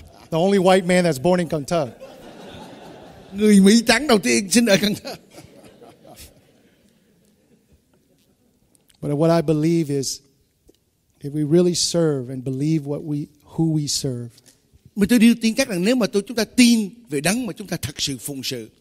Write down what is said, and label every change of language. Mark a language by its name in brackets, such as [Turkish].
[English] The only white man that's born in Cần Thơ. [Vietnamese] Người Mỹ trắng đầu tiên sinh ở Cần Thơ. [English] But what I believe is, if we really serve and believe who we serve, [Vietnamese] mà tôi đều tin chắc rằng nếu mà chúng ta tin về đấng mà chúng ta thật sự phụng sự,